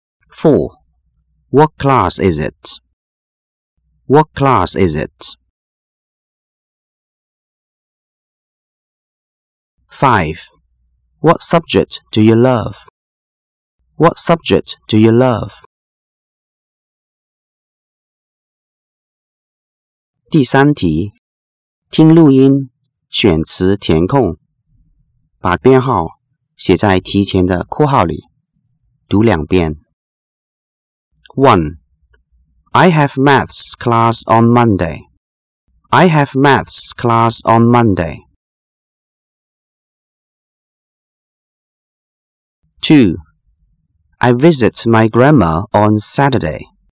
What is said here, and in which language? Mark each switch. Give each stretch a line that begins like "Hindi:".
English: 4. What class is it? What class is it? 5. What subject do you love? What subject do you love?
Chinese: 第三题，听录音，选词填空，把编号写在提前的括号里，读两遍。 1.
English: I have maths class on Monday. I have maths class on Monday. 2. I visit my grandma on Saturday.